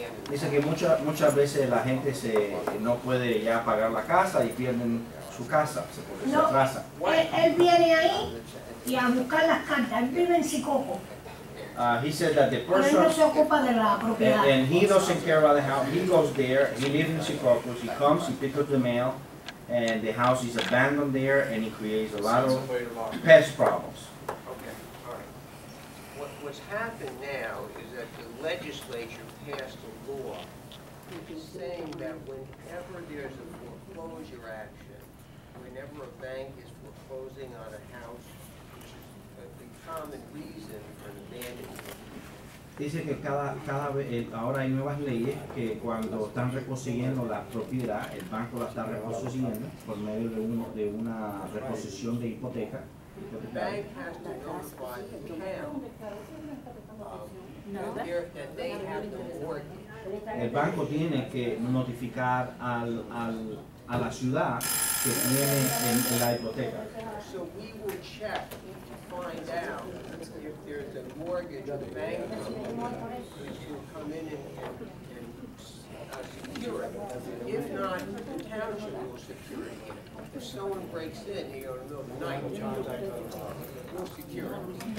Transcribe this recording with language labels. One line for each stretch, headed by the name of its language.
Spanish: Dice que muchas veces la gente no puede ya pagar la casa y pierden su casa, se atrasa. Él viene ahí y a buscar las cartas. Él vive en Sicoco.
English: He said that the person...
Spanish: Pero él no se ocupa de la propiedad.
English: And he doesn't care about the house. He goes there, he lives in Sicoco. He comes, he picks up the mail, and the house is abandoned there, and he creates a lot of pest problems. What's happened now is that the legislature passed a law saying that whenever there's a foreclosure action, whenever a bank is foreclosing on a house, which is the common reason for the abandonment.
Spanish: Dice que cada vez, ahora hay nuevas leyes que cuando están reposiguiendo la propiedad, el banco la está reposiguiendo por medio de una reposición de hipoteca.
English: The bank has to notify the town that they have the mortgage.
Spanish: El banco tiene que notificar a la ciudad que tiene en la hipoteca.
English: So we will check to find out if there's a mortgage the bank has to notify, because you'll come in and secure it. If not, the township will secure it. security. If someone breaks in here in the middle of the night, John, no security.